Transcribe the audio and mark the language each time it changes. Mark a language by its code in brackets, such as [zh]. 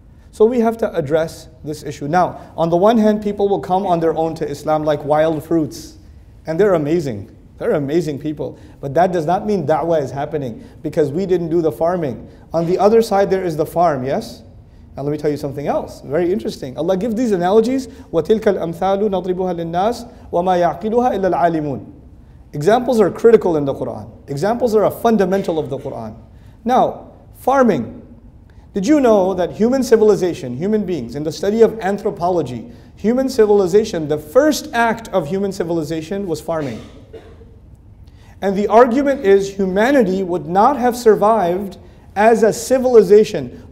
[en] So we have to address this issue. Now, on the one hand, people will come on their own to Islam like wild fruits. And they're amazing. They're amazing people. But that does not mean da'wah is happening because we didn't do the farming. On the other side, there is the farm, yes? Now let me tell you something else. Very interesting. Allah gives these analogies. [ar] وَتِلْكَ الْأَمْثَالُ نَضْرِبُهَا لِلنَّاسِ وَمَا يَعْقِلُهَا إِلَّا الْعَالِمُونَ [en] Examples are critical in the Quran. Examples are a fundamental of the Quran. Now, farming. Did you know that human civilization, human beings, in the study of anthropology, human civilization, the first act of human civilization was farming. And the argument is humanity would not have survived as a civilization.